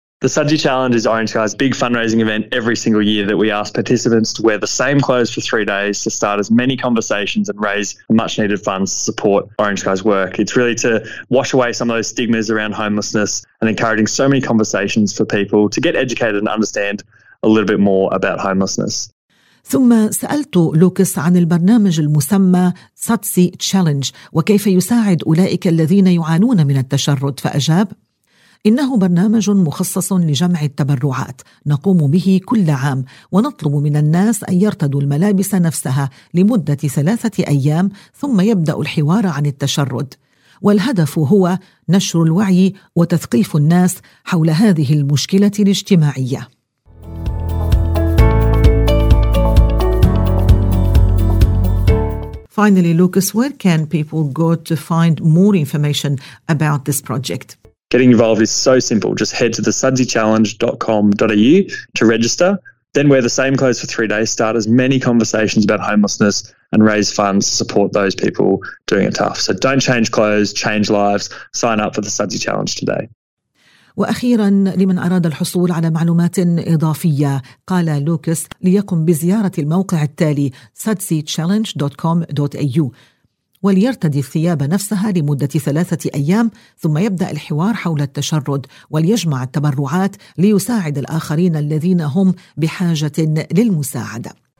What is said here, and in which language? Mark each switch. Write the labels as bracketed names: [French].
[English] The Sudsy Challenge is Orange Sky's big fundraising event every single year that we ask participants to wear the same clothes for 3 days to start as many conversations and raise much needed funds to support Orange Sky's work. It's really to wash away some of those stigmas around homelessness and encouraging so many conversations for people to get educated and understand a little bit more about homelessness. [Arabic] ثم سألت لوكس عن البرنامج المسمى Sudsy Challenge وكيف يساعد أولئك الذين يعانون من التشرد فأجاب: إنه برنامج مخصص لجمع التبرعات نقوم به كل عام، ونطلب من الناس أن يرتدوا الملابس نفسها لمدة 3 أيام ثم يبدأ الحوار عن التشرد، والهدف هو نشر الوعي وتثقيف الناس حول هذه المشكلة الاجتماعية. [English] Finally, Lucas, where can people go to find more information about this project? Getting involved is so simple. Just head to thesudsychallenge.com.au to register. Then wear the same clothes for 3 days. Start as many conversations about homelessness and raise funds to support those people doing it tough. So don't change clothes, change lives. Sign up for the Sudsy Challenge today. [Arabic] وأخيرا لمن أراد الحصول على معلومات إضافية قال لوكس ليقم بزيارة الموقع التالي sudsychallenge.com.au وليرتدي الثياب نفسها لمدة 3 أيام ثم يبدأ الحوار حول التشرد وليجمع التبرعات ليساعد الآخرين الذين هم بحاجة للمساعدة.